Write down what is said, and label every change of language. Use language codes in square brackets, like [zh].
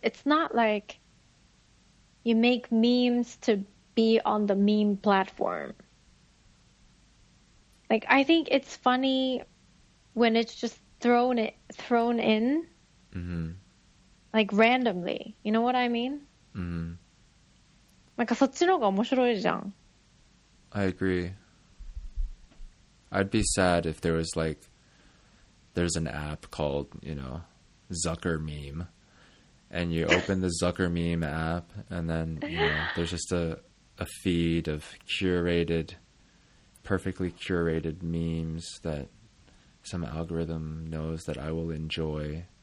[en] It's not like you make memes to be on the meme platform. Like, I think it's funny when it's just thrown in. Mm-hmm. Like, randomly. You know what I mean? Mm-hmm. [ja] なんかそっちの方が面白いじゃん。 [en] I agree. I'd be sad if there was, like, there's an app called, you know, Zucker Meme. And you open the Zucker meme app, and then you know, there's just a feed of curated, perfectly curated memes that some algorithm knows that I will enjoy.